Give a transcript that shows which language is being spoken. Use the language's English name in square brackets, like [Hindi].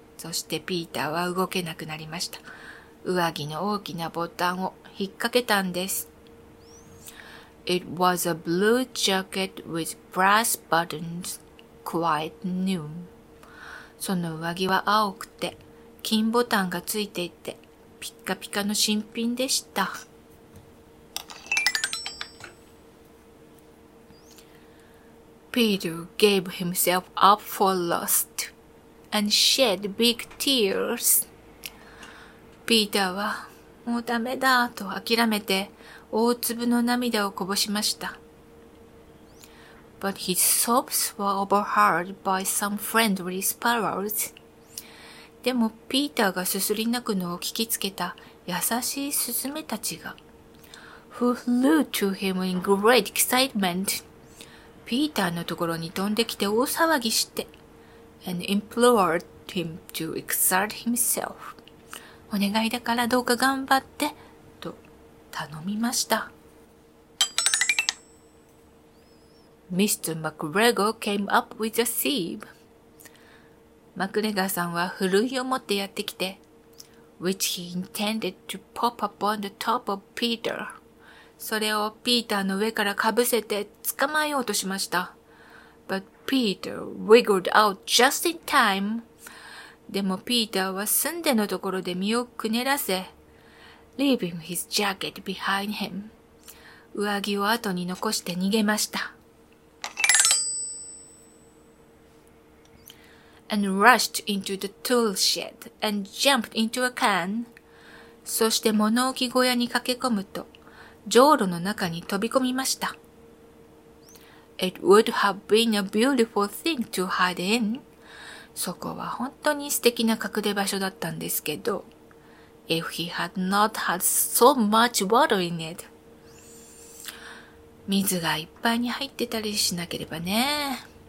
[Japanese] そしてピーターは動けなくなりました。上着の大きなボタンを引っ掛けたんです。 [English] It was a blue jacket with brass buttons, quite new. [Japanese] その上着は青くて、金ボタンがついていて、ピッカピカの新品でした。 [English] Peter gave himself up for lost and shed big tears. [Japanese] ピーターは、もうダメだと諦めて、大粒の涙をこぼしました。 [English] But his sobs were overheard by some friendly sparrows. [Japanese] でも、ピーターがすすり泣くのを聞きつけた優しいスズメたちが、 [English] who flew to him in great excitement. [Japanese] ピーターのところに飛んできて大騒ぎして、 [English] and implored him to exert himself. [Japanese] お願いだからどうか頑張って、頼みました。 [English] Mr. McGregor came up with a sieve. [Japanese] マクレガーさんはふるいを持ってやってきて、 [English] which he intended to pop upon the top of Peter. [Japanese] それをピーターの上からかぶせて捕まえようとしました。 [English] But Peter wiggled out just in time. [Japanese] でもピーターは住んでのところで身をくねらせ、 [English] leaving his jacket behind him. [Japanese] 上着を後に残して逃げました。 [English] And rushed into the tool shed and jumped into a can. [Japanese] そして物置小屋に駆け込むと、上路の中に飛び込みました。 [English] It would have been a beautiful thing to hide in. [Japanese] そこは本当に素敵な隠れ場所だったんですけど、 [English] If he had not had so much water in it. [Japanese] 水がいっぱいに入ってたりしなければね。